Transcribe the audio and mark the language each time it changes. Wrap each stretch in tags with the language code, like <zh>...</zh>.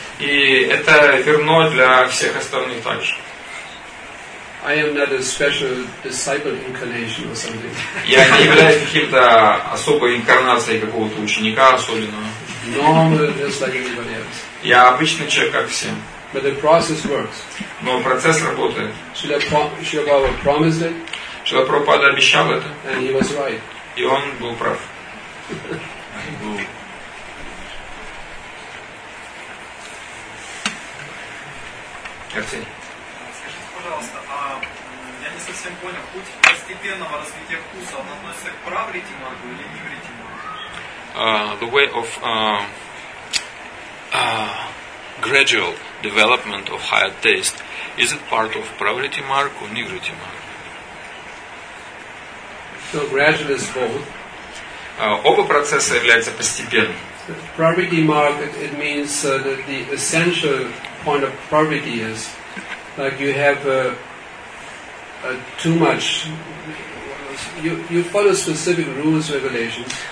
<ru>И это верно для всех остальных также.</ru> <en>I am not a special disciple incarnation or something.</en> <ru>Я не являюсь каким-то особой инкарнацией какого-то ученика особенного.</ru> <en>Normal, just like everybody else.</en> <ru>Я обычный человек, как все.</ru> <en>But the process works.</en> <ru>Но процесс работает.</ru> <en>Шрила Прабхупада promised it.</en> <ru>Шрила Прабхупада обещал это.</ru> <en>And he was right.</en> <ru>И он был прав. Арсений. Скажите, пожалуйста, я не совсем понял, путь постепенного развития вкуса, он относится к правритти маргу или нивритти маргу?</ru> <en>The way of gradual development of higher taste, is it part of Pravritti Mark or Nivritti Mark? So gradual is both.</en> <ru>Оба процесса являются постепенными.</ru> <en>Pravritti Mark, it means that the essential point of Pravritti is like you have too much, you follow specific rules, regulations.</en>